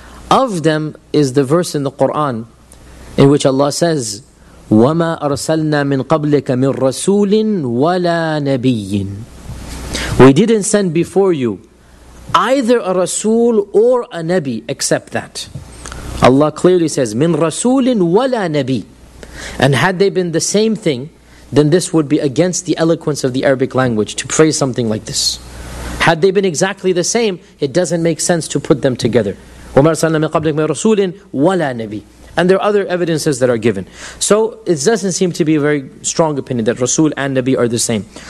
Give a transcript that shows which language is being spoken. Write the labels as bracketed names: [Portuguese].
[English] Of them is the verse in the Quran in which Allah says, وَمَا أَرْسَلْنَا مِنْ قَبْلِكَ مِنْ رَسُولٍ وَلَا نَبِيٍّ. We didn't send before you either a Rasul or a Nabi except that. [Arabic] Allah clearly says, مِنْ رَسُولٍ وَلَا نَبِيٍّ. [English] And had they been the same thing, then this would be against the eloquence of the Arabic language to praise something like this. Had they been exactly the same, it doesn't make sense to put them together. [Arabic] وَمَا أَرْسَلْنَا مِنْ قَبْلِكَ مِنْ رَسُولٍ وَلَا نَبِيٍّ. [English] And there are other evidences that are given. So it doesn't seem to be a very strong opinion that Rasul and Nabi are the same.